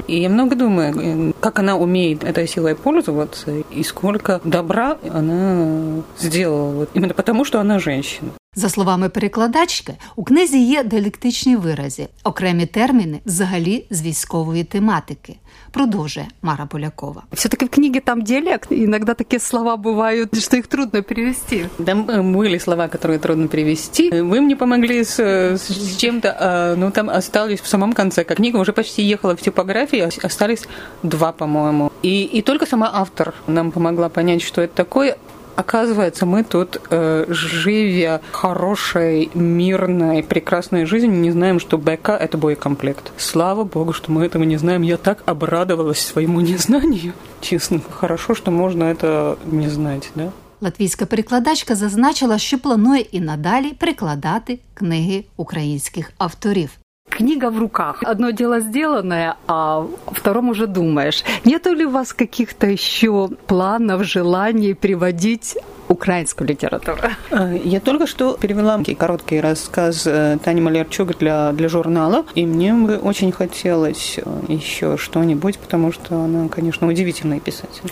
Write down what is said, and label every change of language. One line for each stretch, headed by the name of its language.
Ukrainian: І я багато думаю, як вона вміє цією силою пользуватися і скільки добра вона зробила. Вот, іменно тому, що вона жінка. За словами перекладачки, у книзі є діалектичні вирази, окремі терміни взагалі з військової тематики. Продовжує Мара Полякова.
Russian: Все-таки в книге там диалект. Иногда такие слова бывают, что их трудно перевести. Там были слова, которые трудно перевести. Вы мне помогли с чем-то, но там остались в самом конце. Книга уже почти ехала в типографии, остались два, по-моему. И только сама автор нам помогла понять, что это такое. Оказывается, мы тут, живя хорошей, мирной, прекрасной жизнью, не знаем, что БК – это боекомплект. Слава богу, что мы этого не знаем. Я так обрадовалась своему незнанию, честно. Хорошо, что можно это не знать, да?
Ukrainian: Латвійська перекладачка зазначила, що планує і надалі перекладати книги українських авторів.
Russian: Книга в руках. Одно дело сделанное, а втором уже думаешь. Нету ли у вас каких-то еще планов, желаний переводить украинскую литературу? Я только что перевела короткий рассказ Тани Малярчук для журнала, и мне бы очень хотелось еще что-нибудь, потому что она, конечно, удивительный писатель.